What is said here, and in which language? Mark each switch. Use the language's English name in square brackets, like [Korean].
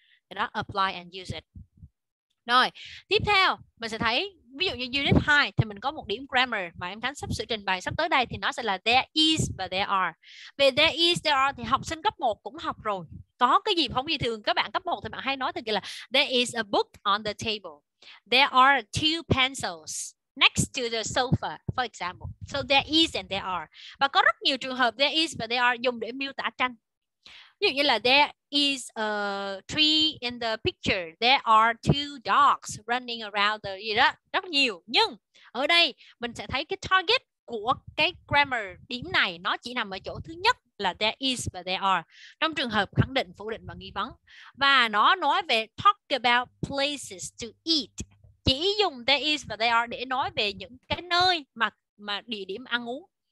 [Vietnamese] Thì đó, [English] apply and use it. [Vietnamese] Rồi, tiếp theo mình sẽ thấy ví dụ như unit 2 thì mình có một điểm grammar mà em Khánh sắp sửa trình bày sắp tới đây thì nó sẽ là there is và there are. Về [English] there is, there are thì học sinh cấp 1 cũng học rồi. Có cái gì không? Gì thường các bạn cấp 1 thì bạn hay nói thật kìa là there is a book on the table. There are two pencils next to the sofa, for example. So there is and there are. [Vietnamese] Và có rất nhiều trường hợp there is và there are dùng để miêu tả tranh. Ví dụ như là [English] there is a tree in the picture. There are two dogs running around the [Vietnamese] gì đó. Rất nhiều. Nhưng ở đây mình sẽ thấy cái target của cái grammar điểm này nó chỉ nằm ở chỗ thứ nhất là there is và there are. Trong trường hợp khẳng định, phủ định và nghi vấn. Và nó nói về [English] talk about places to eat. [Vietnamese] Chỉ dùng there is và there are để nói về những cái nơi mà địa điểm ăn uống.